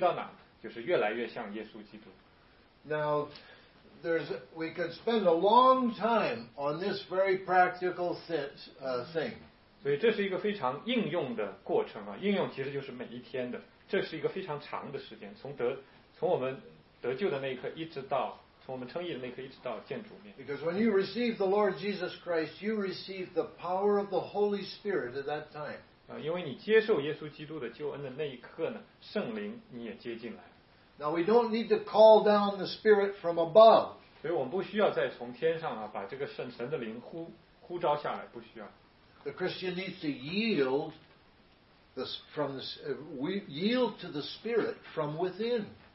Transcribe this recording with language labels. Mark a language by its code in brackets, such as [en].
[zh] 所以这个现在时态的得救是从罪的权势中，其实就像我们原来是在罪的权柄之下，然后我们从这里面呢，一点一点，一刻一刻，一天一天的，我们出来，出来呢，出来，你从里面出来，你总要去一个方向，去到哪，就是越来越像耶稣基督。 [en] Now, we could spend a long time on this very practical thing. [zh] 所以这是一个非常应用的过程啊，应用其实就是每一天的，这是一个非常长的时间，从我们得救的那一刻一直到从我们称义的那一刻一直到见主面。 [en] Because when you receive the Lord Jesus Christ, you receive the power of the Holy Spirit at that time. [zh] 因为你接受耶稣基督的救恩的那一刻呢，圣灵你也接进来。 [en] Now we don't need to call down the Spirit from above. [zh] 所以我们不需要再从天上啊，把这个神的灵呼召下来，不需要。 [en] The Christian needs to yield to the Spirit from within.